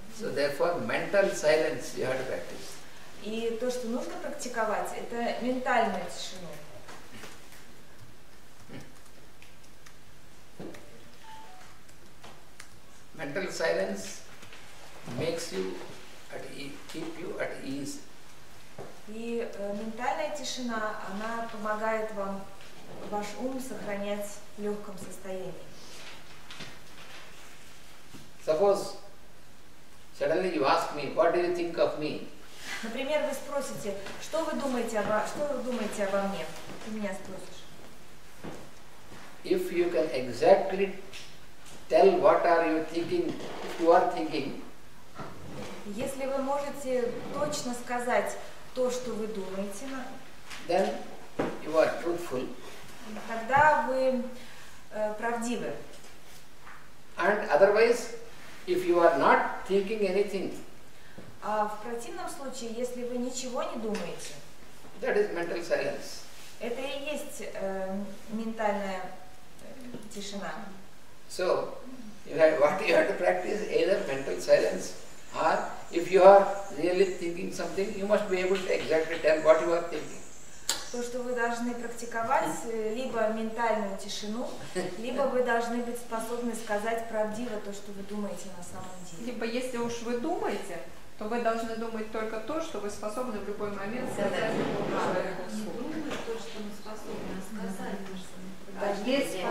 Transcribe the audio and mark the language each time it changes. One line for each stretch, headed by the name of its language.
English: So therefore, mental silence you have to practice.
Russian: И то, что нужно практиковать, это ментальную тишину.
English: Mental silence makes you at ease, keep you at ease.
Russian: И ментальная тишина, она помогает вам, ваш ум сохранять в легком состоянии.
English: Suppose suddenly you ask me, what do you think of me?
Russian: Например, вы спросите, что вы думаете обо мне? Ты меня спросишь.
English: If you can exactly tell what are you thinking, if you are thinking.
Russian: Если вы можете точно сказать то, что вы думаете,
English: then you are truthful.
Russian: Тогда вы правдивы.
English: And otherwise, if you are not thinking anything.
Russian: А в противном случае, если вы ничего не думаете,
English: that is mental silence.
Russian: Это и есть ментальная тишина.
English: So, what you have to practice either mental silence or if you are really thinking something, you must be able to exactly tell what you are thinking.
Russian: То, что вы должны практиковать, либо ментальную тишину, либо вы должны быть способны сказать правдиво то, что вы думаете на самом деле. Либо если уж вы думаете, то вы должны думать только то, что вы способны в любой момент сказать другому человеку. Не думать то, что мы способны, а сказать то, что мы.